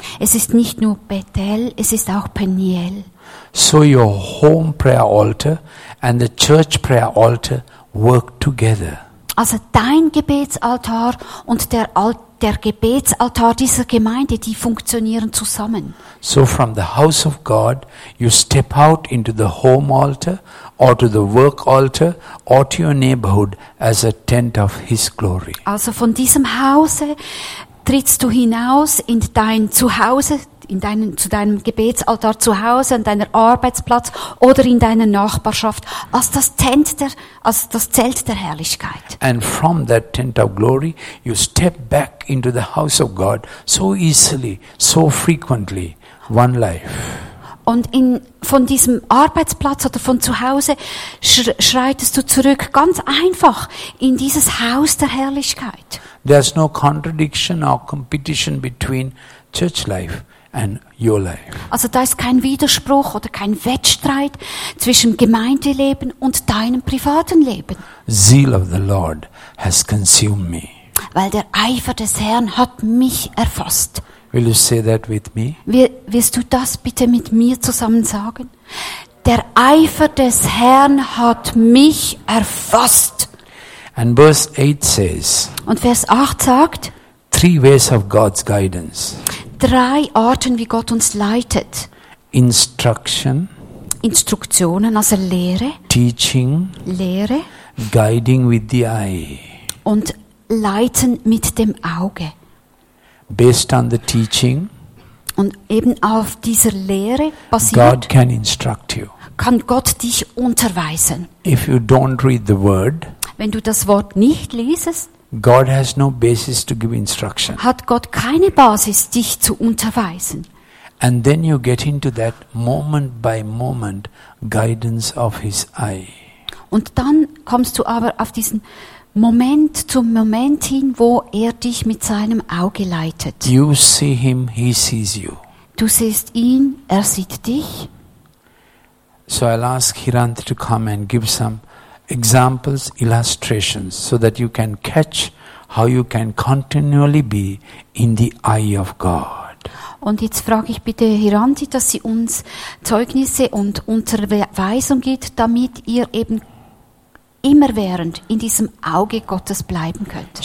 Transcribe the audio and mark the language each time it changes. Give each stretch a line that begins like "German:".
German: Es ist nicht nur Bethel, es ist auch Peniel.
English: So your home prayer altar and the church prayer altar work together.
German: Also dein Gebetsaltar und der Gebetsaltar dieser Gemeinde, die funktionieren zusammen.
English: So from the house of God, you step out into the home altar or to the work altar or to your neighborhood as a tent of His glory.
German: Also von diesem Hause trittst du hinaus in dein Zuhause, zu deinem Gebetsaltar zu Hause, an deiner Arbeitsplatz oder in deiner Nachbarschaft, als das Zelt der Herrlichkeit.
English: And from that tent of glory, you step back into the house of God so easily, so frequently, one life.
German: Und von diesem Arbeitsplatz oder von zu Hause schreitest du zurück, ganz einfach, in dieses Haus der Herrlichkeit.
English: There's no contradiction or competition between church life and your life.
German: Also da ist kein Widerspruch oder kein Wettstreit zwischen Gemeindeleben und deinem privaten Leben.
English: Zeal of the Lord has consumed me.
German: Weil der Eifer des Herrn hat mich erfasst.
English: Will you say that with me?
German: Wirst du das bitte mit mir zusammen sagen? Der Eifer des Herrn hat mich erfasst.
English: And verse 8 says,
German: und Vers 8 sagt,
English: three ways of God's guidance.
German: Drei Arten, wie Gott uns leitet. Instruktionen, also Lehre.
English: Teaching.
German: Lehre.
English: Guiding with the eye.
German: Und leiten mit dem Auge.
English: Based on the teaching.
German: Und eben auf dieser Lehre basiert.
English: God can instruct you.
German: Kann Gott dich unterweisen.
English: If you don't read the word.
German: Wenn du das Wort nicht liest.
English: God has no basis to give instruction.
German: Hat Gott keine Basis, dich zu unterweisen.
English: And then you get into that moment by moment guidance of His eye.
German: Und dann kommst du aber auf diesen Moment zu Moment hin, wo er dich mit seinem Auge leitet.
English: You see Him, He sees you.
German: Du siehst ihn, er sieht dich.
English: So I'll ask Hiranth to come and give some examples, illustrations, so that you can catch how you can continually be in the eye of God.
German: Und jetzt frage ich bitte Hiranti, dass sie uns Zeugnisse und Unterweisung gibt, damit ihr eben immerwährend in diesem Auge Gottes bleiben könnt.